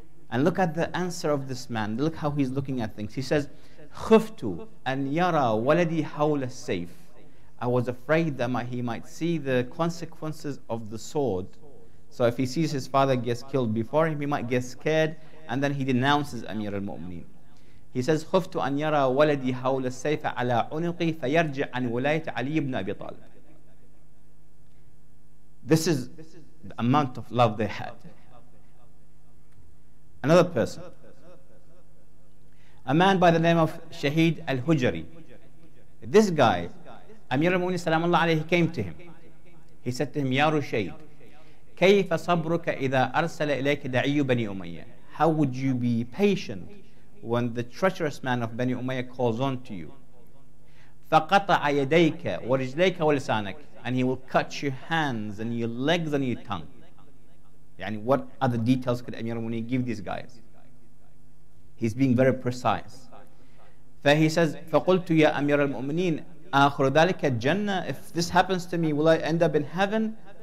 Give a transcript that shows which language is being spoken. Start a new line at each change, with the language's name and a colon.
English: And look at the answer of this man. Look how he's looking at things. He says,
Arabic: خفتُ أن يرى ولدي حول السيف.
English: I was afraid that he might see the consequences of the sword. So if he sees his father gets killed before him, he might get scared, and then he denounces Amir al-Mu'mineen. He says,
Arabic: خفتُ أن يرى ولدي حول السيف على عنقي فيرجع عن ولاية علي بن أبي طالب.
English: This is the amount of love they had. Another person. A man by the name of Shaheed al-Hujri. This guy, Amir al-Mu'mineen salamullah alayhi, came to him. He said to him,
Arabic: Ya Rushayd, كيف صبرك إذا أرسل إليك دعي بني أمية?
English: How would you be patient when the treacherous man of Bani Umayyah calls on to you?
Arabic: فقطع يديك ورجليك ولسانك.
English: And he will cut your hands and your legs and your tongue. يعني what other details could Amir al-Mu'mineen give these guys? He's being very precise. He says,
Arabic: فَقُلْتُ يَا أَمِيرَ الْمُؤْمِنِينَ آخر ذَلِكَ الْجَنَّةِ
English: If this happens to me, will I end up in heaven?